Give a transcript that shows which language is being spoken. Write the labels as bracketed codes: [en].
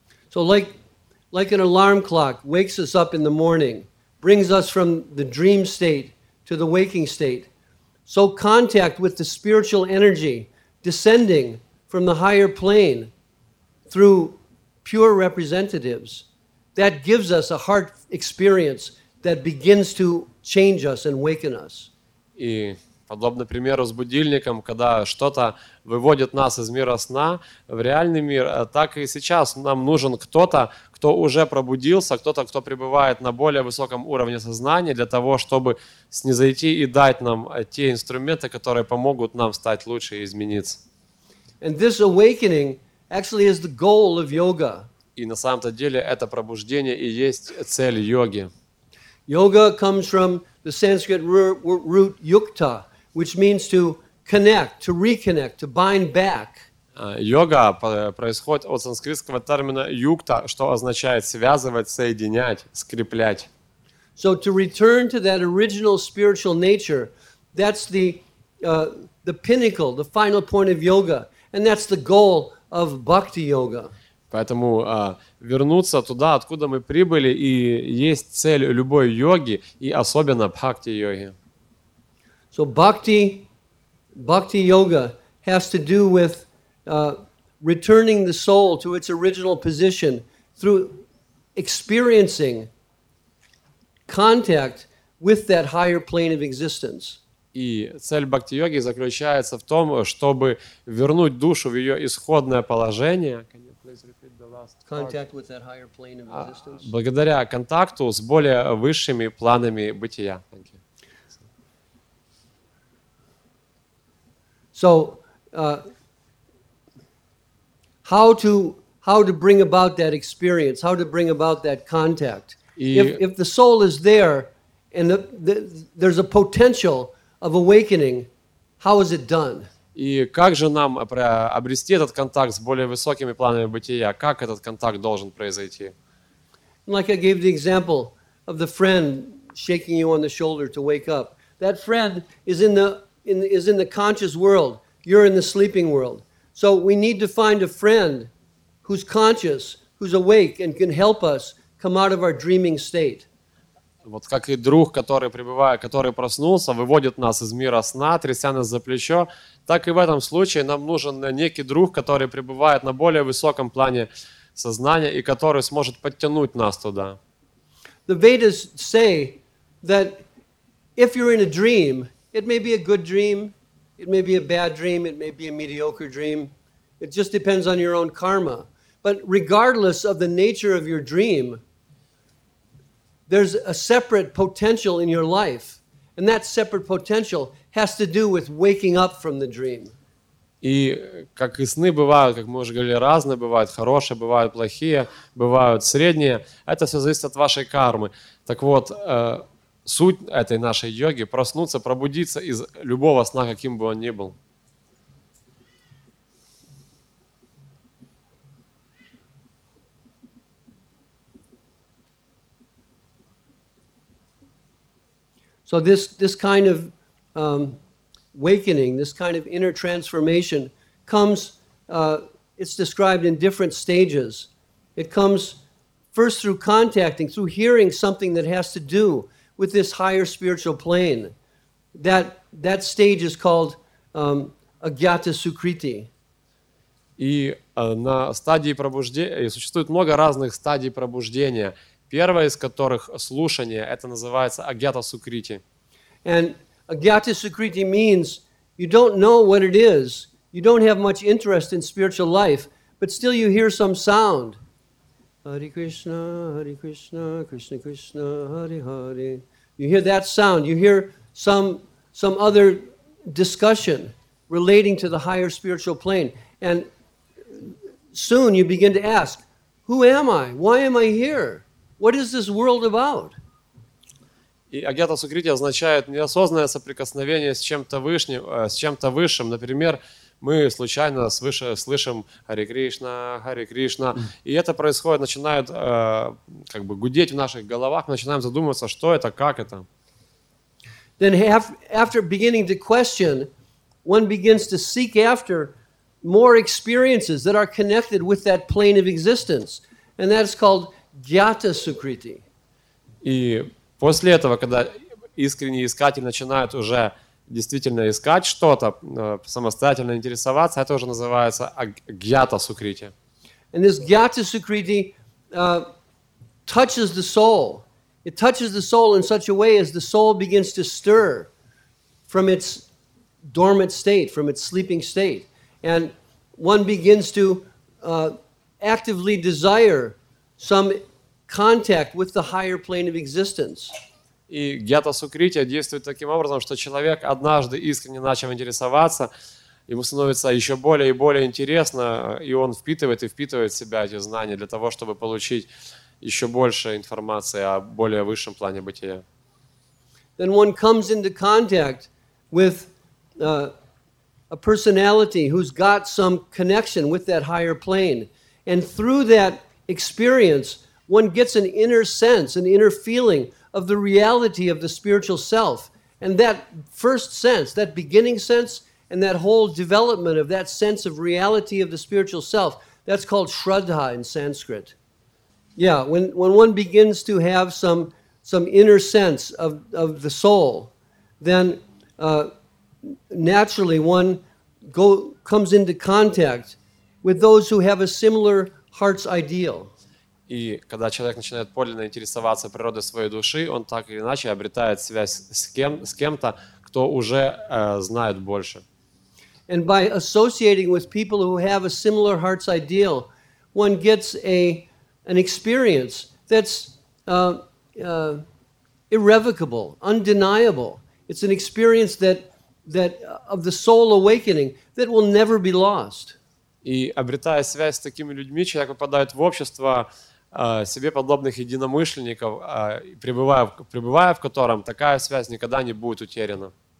[en] So like an alarm clock wakes us up in the morning, brings us from the dream state to the waking state. So contact with the spiritual energy descending from the higher plane through pure representatives, that gives us a heart experience that begins to change us and waken us. [ru] И подобно примеру с будильником, когда что-то выводит нас из мира сна в реальный мир, так и сейчас нам нужен кто-то, кто уже пробудился, кто-то, кто пребывает на более высоком уровне сознания для того, чтобы снизойти и дать нам те инструменты, которые помогут нам стать лучше и измениться. [en] And this awakening actually is the goal of yoga. [ru] И на самом-то деле это пробуждение и есть цель йоги. [en] Yoga comes from the Sanskrit root yukta, which means to connect, to reconnect, to bind back. [ru] Йога происходит от санскритского термина юкта, что означает связывать, соединять, скреплять. [en] So to return to that original spiritual nature, that's the pinnacle, the final point of yoga, and that's the goal of bhakti yoga. [ru] Поэтому вернуться туда, откуда мы прибыли, и есть цель любой йоги, и особенно бхакти йоги. [en] So bhakti yoga has to do with returning the soul to its original position through experiencing contact with that higher plane of existence. [ru] И цель бхакти-йоги заключается в том, чтобы вернуть душу в ее исходное положение. [en] Can you please repeat the last part? Contact with that higher plane of existence. [ru] Благодаря контакту с более высшими планами бытия. [en] Thank you. How to bring about that experience? How to bring about that contact? If the soul is there, and there's a potential of awakening, how is it done? [ru] И как же нам обрести этот контакт с более высокими планами бытия? Как этот контакт должен произойти? [en] Like I gave the example of the friend shaking you on the shoulder to wake up. That friend is in the conscious world. You're in the sleeping world. So we need to find a friend who's conscious, who's awake, and can help us come out of our dreaming state. [ru] Вот как и друг, который пребывает, который проснулся, выводит нас из мира сна, тряся нас за плечо, так и в этом случае нам нужен некий друг, который пребывает на более высоком плане сознания и который сможет подтянуть нас туда. [en] The Vedas say that if you're in a dream, it may be a good dream. It may be a bad dream, it may be a mediocre dream. It just depends on your own karma. But regardless of the nature of your dream, there's a separate potential in your life. And that separate potential has to do with waking up from the dream. [ru] И как и сны бывают, как мы уже говорили, разные бывают, хорошие бывают, плохие бывают, средние. Это все зависит от вашей кармы. Так вот, суть этой нашей йоги – проснуться, пробудиться из любого сна, каким бы он ни был. [en] So this kind of awakening, this kind of inner transformation comes, it's described in different stages. It comes first through contacting, through hearing something that has to do with this higher spiritual plane, that stage is called Agyata Sukriti. [ru] И на стадии пробуждения существует много разных стадий пробуждения. Первая из которых слушание. Это называется Агьята Сукрити. [en] And Agyata Sukriti means you don't know what it is, you don't have much interest in spiritual life, but still you hear some sound. Hare Krishna, Hare Krishna, Krishna Krishna, Hare Hare. You hear that sound. You hear some other discussion relating to the higher spiritual plane, and soon you begin to ask, "Who am I? Why am I here? What is this world about?" [ru] И агьята сукрити означает неосознанное соприкосновение с чем-то высшим, Например, мы случайно слышим Харе Кришна, и это происходит, начинает как бы гудеть в наших головах, мы начинаем задумываться, что это, как это. [en] Then after beginning to question, one begins to seek after more experiences that are connected with that plane of existence, and that's called Jata Sukriti. [ru] И после этого, когда искренний искатель начинает уже действительно искать что-то, самостоятельно интересоваться, это уже называется Агьята Сукрити. [en] And this Агьята Сукрити touches the soul. It touches the soul in such a way as the soul begins to stir from its dormant state, from its sleeping state. And one begins to actively desire some contact with the higher plane of existence. [ru] И Агьята Сукрити действует таким образом, что человек, однажды искренне начав интересоваться, ему становится еще более и более интересно, и он впитывает и впитывает в себя эти знания для того, чтобы получить еще больше информации о более высшем плане бытия. [en] Then one comes into contact with a personality who's got some connection with that higher plane. And through that experience, one gets an inner sense, an inner feeling of the reality of the spiritual self. And that first sense, that beginning sense, and that whole development of that sense of reality of the spiritual self, that's called Shraddha in Sanskrit. Yeah, when one begins to have some inner sense of the soul, then naturally one comes into contact with those who have a similar heart's ideal. [ru] И когда человек начинает подлинно интересоваться природой своей души, он так или иначе обретает связь с кем-то, кто уже знает больше. [en] And by associating with people who have a similar heart's ideal, one gets an experience that's irrevocable, undeniable. It's an experience that of the soul awakening that will never be lost. [ru] И обретая связь с такими людьми, человек попадает в общество себе подобных единомышленников, пребывая в котором, такая связь никогда не будет утеряна.